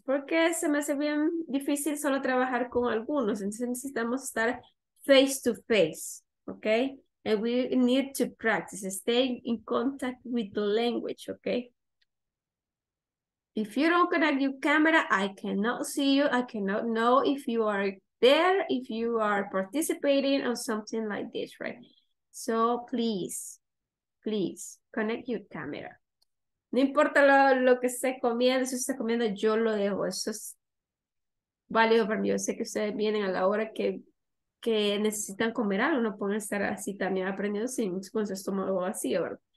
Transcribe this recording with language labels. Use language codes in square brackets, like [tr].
[es] Porque se me hace bien difícil solo trabajar con algunos. Entonces necesitamos estar [en] face to face, [es] okay? [en] And we need to practice, stay in contact with the language, okay? If you don't connect your camera, I cannot see you. I cannot know if you are there, if you are participating or something like this, right? So please, please connect your camera. [es] No importa lo que esté comiendo, si está comiendo, yo lo dejo. Eso es válido para mí. Yo sé que ustedes vienen a la hora que necesitan comer algo, no pueden estar así también aprendiendo sin con su estómago vacío, ¿verdad?